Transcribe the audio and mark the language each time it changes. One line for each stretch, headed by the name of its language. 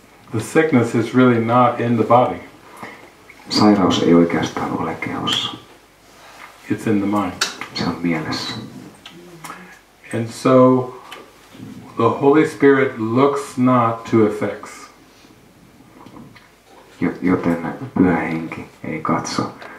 English: The sickness is really not in the body.
Finnish: Sairaus ei oikeastaan ole kehossa.
English: It's in the mind.
Finnish: Se on mielessä.
English: And so the Holy Spirit looks not to effects.
Finnish: Joten Pyhä Henki ei katso.